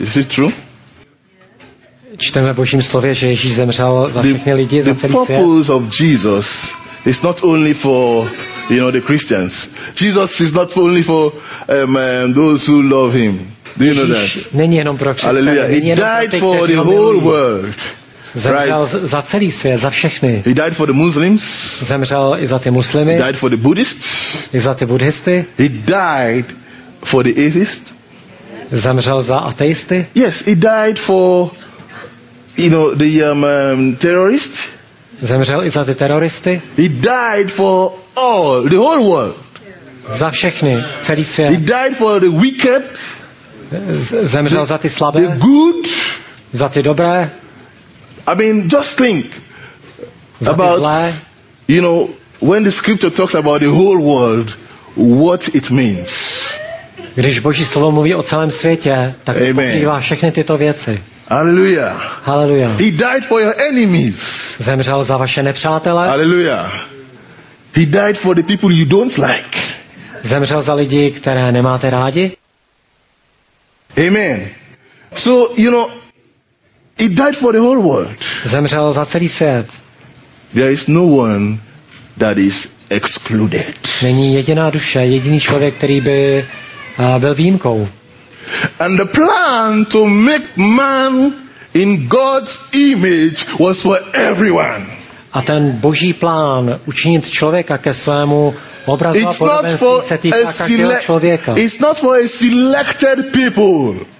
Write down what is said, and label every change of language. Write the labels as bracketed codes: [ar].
[en] Is it true? [cs] Čteme v Božím slově, že Ježíš zemřel za všechny lidi, za celý svět. [en] The purpose of Jesus is not only for, you know, the Christians. Jesus is not only for those who love him. Do you know that? [cs] Není jenom pro křesťany. Hallelujah. [en] He died for the whole world. [cs] Zemřel za celý svět, za všechny. [en] He died for the Muslims. [cs] Zemřel i za ty muslimy. [en] He died for the Buddhists. [cs] I za ty buddhisty. [en] He died for the atheists. [cs] Zemřel za ateisty. [en] Yes, he died for, you know, the terrorists. [cs] Zemřel i za ty teroristy. [en] He died for all, the whole world. [cs] Za všechny, celý svět. [en] He died for the wicked. [cs] Zemřel za ty slabé. [en] The good. [cs] Za ty dobré. [en] I mean, just think about, you know, when the scripture talks about the whole world, what it means. [cs] Když Boží slovo mluví o celém světě, tak pokrývá všechny tyto věci. Hallelujah. Hallelujah. [en] He died for your enemies. [cs] Zemřel za vaše nepřátele. Hallelujah. [en] He died for the people you don't like. [cs] Zemřel za lidi, které nemáte rádi. Amen. [en] So, you know, he died for the whole world. [cs] Zemřel za celý svět. [en] There is no one that is excluded. [cs] Není jediná duše, jediný člověk, který by byl výjimkou. [en] And the plan to make man in God's image was for everyone. [cs] A ten Boží plán učinit člověka ke svému obrazu a podobenství se týká každého člověka. [en] It's not for a selected people.